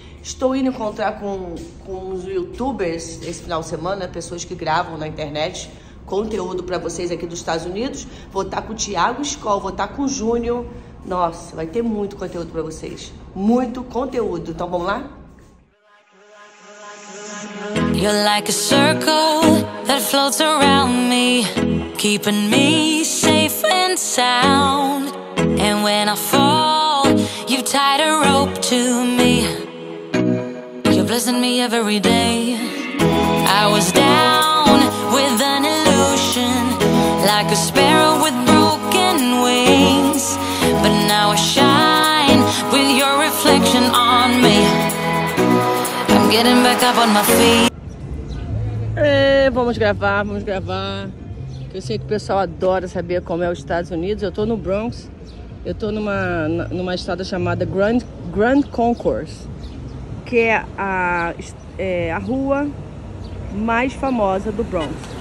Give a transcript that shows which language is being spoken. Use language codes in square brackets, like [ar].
[pt] Estou indo encontrar com os youtubers esse final de semana, pessoas que gravam na internet conteúdo pra vocês aqui dos Estados Unidos. Vou estar com o Thiago Scholl, vou estar com o Júnior. Nossa, vai ter muito conteúdo pra vocês. Muito conteúdo. Então vamos lá? [en] You're like a circle that floats around me, keeping me safe and sound. And when I fall, you tied a rope to me. You're blessing me every day. I was down with an illusion, like a sparrow with broken wings. But now I shine with your reflection on me. I'm getting back up on my feet. [pt] Vamos gravar. Eu sei que o pessoal adora saber como é os Estados Unidos. Eu tô no Bronx. Eu tô numa estrada chamada Grand Concourse, que é a rua mais famosa do Bronx.